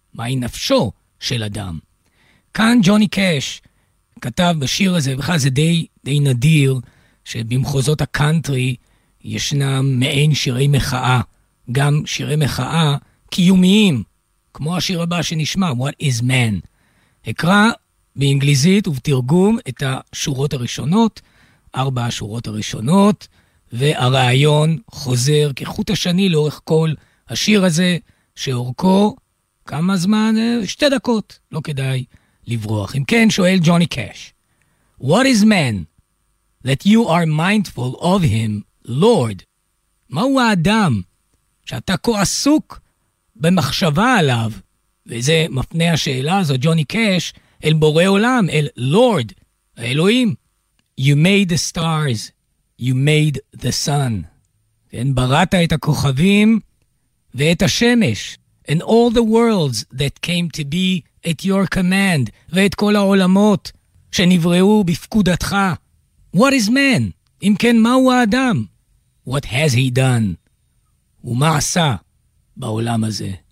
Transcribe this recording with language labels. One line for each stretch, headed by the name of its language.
Hebrew: מהי נפשו של אדם? כאן ג'וני קאש כתב בשיר הזה, בכלל זה די נדיר, שבמחוזות הקאנטרי ישנם מעין שירי מחאה, גם שירי מחאה קיומיים, כמו השיר הבא שנשמע, What is man? הקרא באנגליזית ובתרגום את השורות הראשונות, ארבע השורות הראשונות, והרעיון חוזר כחוט השני לאורך כל השיר הזה, שאורכו כמה זמן? שתי דקות, לא כדאי לברוח. אם כן, שואל ג'וני קאש,
English: What is man that you are mindful of him, Lord?
Hebrew: מהו האדם שאתה כה עסוק במחשבה עליו? וזה מפנה השאלה הזו, ג'וני קאש, אל בורא עולם, אל לורד, האלוהים.
English: You made the stars, you made the sun.
Hebrew: כן, בראת את הכוכבים ואת השמש.
English: And all the worlds that came to be at your command,
Hebrew: ואת כל העולמות שנבראו בפקודתך.
English: What is man?
Hebrew: אם כן, מהו האדם?
English: What has he done?
Hebrew: ומה עשה בעולם הזה?